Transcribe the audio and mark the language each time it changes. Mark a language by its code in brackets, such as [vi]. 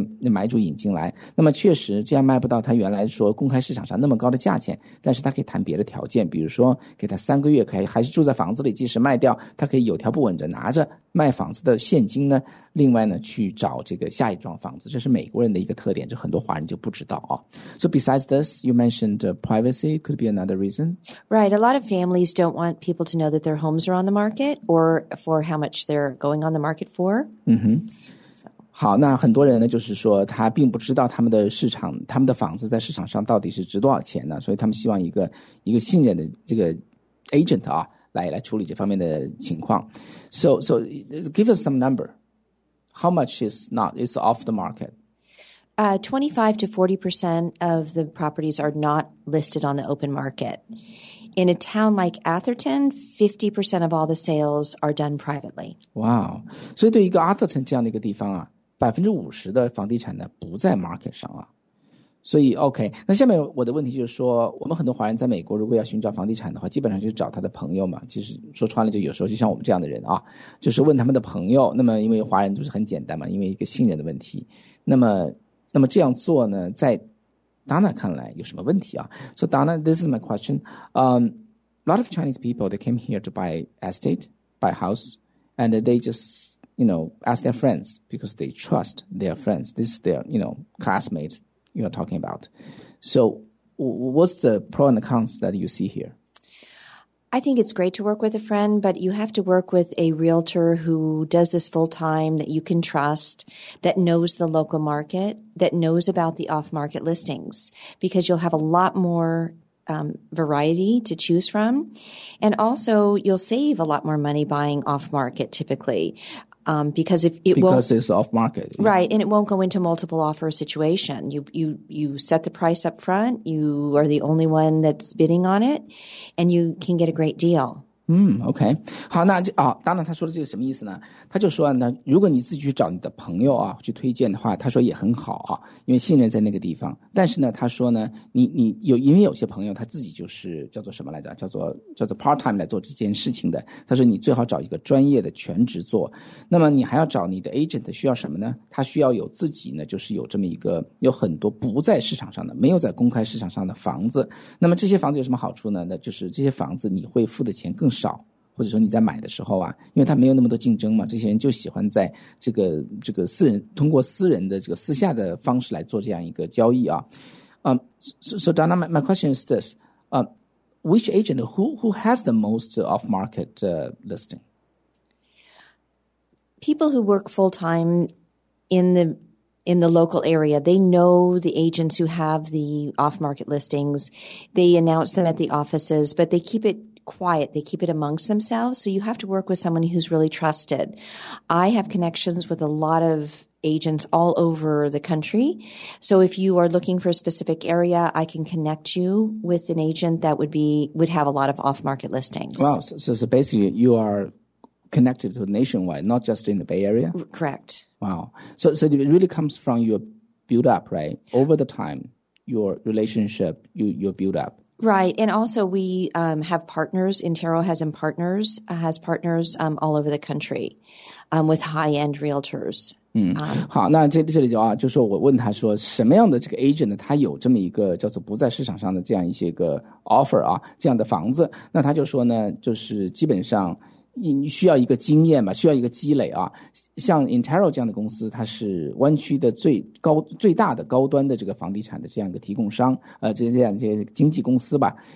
[zh] 买主引进来，那么确实这样卖不到他原来说公开市场上那么高的价钱，但是他可以谈别的条件，比如说给他3个月可以还是住在房子里，即使卖掉他可以有条不紊着拿着卖房子的现金呢，另外呢去找这个下一幢房子，这是美国人的一个特点，这很多华人就不知道啊。 [en] So besides this, you mentioned privacy could be another reason. Right, a lot of families don't want people to know that their homes are on the market or for how much they're going on the market for. 嗯哼。 [zh] 好，那很多人呢就是说他并不知道他们的市场，他们的房子在市场上到底是值多少钱呢，所以他们希望一个信任的这个 agent 啊来处理这方面的情况。 [en] So give us some number. How much is not, is off the market? 25% to 40% of the properties are not listed on the open market. In a town like Atherton, 50% of all the sales are done privately. Wow. [zh] 所以对一个 Atherton 这样的一个地方啊，50%的房地产呢不在 market 上啊，所以 OK， 那下面我的问题就是说，我们很多华人在美国如果要寻找房地产的话，基本上就找他的朋友嘛，其实说穿了就有时候就像我们这样的人啊，就是问他们的朋友，那么因为华人就是很简单嘛，因为一个信任的问题，那么这样做呢在 Dana 看来有什么问题啊？ [en] So Dana, this is my question. A lot of Chinese people, they came here to buy estate, buy house, and they justyou know, ask their friends because they trust their friends. This is their, you know, classmate you are talking about. So what's the pro and the cons that you see here? I think it's great to work with a friend, but you have to work with a realtor who does this full time, that you can trust, that knows the local market, that knows about the off-market listings, because you'll have a lot more variety to choose from. And also, you'll save a lot more money buying off-market typically. Because it's off market. Yeah. Right. And it won't go into multiple offer situation. You set the price up front. You are the only one that's bidding on it and you can get a great deal. [zh] OK, 好，那啊，当然他说的这个什么意思呢？他就说呢，如果你自己去找你的朋友啊，去推荐的话，他说也很好啊，因为信任在那个地方。但是呢，他说呢，你有，因为有些朋友他自己就是叫做什么来着？叫做 part time 来做这件事情的。他说你最好找一个专业的全职做。那么你还要找你的 agent 需要什么呢？他需要有自己呢，就是有这么一个有很多不在市场上的、没有在公开市场上的房子。那么这些房子有什么好处呢？那就是这些房子你会付的钱更少，或者说你在买的时候啊，因为他没有那么多竞争嘛，这些人就喜欢在这个私人，通过私人的这个私下的方式来做这样一个交易啊。 [en] So Donna, my question is this: which agent who has the most off market listing? People who work full time in the local area, they know the agents who have the off market listings. They announce them at the offices, but they keep it. Quiet. They keep it amongst themselves. So you have to work with someone who's really trusted. I have connections with a lot of agents all over the country. So if you are looking for a specific area, I can connect you with an agent that would have a lot of off-market listings. Wow. So basically you are connected to nationwide, not just in the Bay Area? Correct. Wow. So it really comes from your build up, right? Over the time, your relationship, your build up. Right. And also we have partners. Intero has partners all over the country with high-end realtors. [zh] 好，那这里就啊，就是我问他说什么样的这个 agent 呢，他有这么一个叫做不在市场上的这样一些个 offer 啊，这样的房子。那他就说呢，就是基本上你需要一个经验吧，需要一个积累啊。像 Intero 这样的公司，它是湾区的最大的高端的这个房地产的这样一个提供商，这样一些经纪公司吧。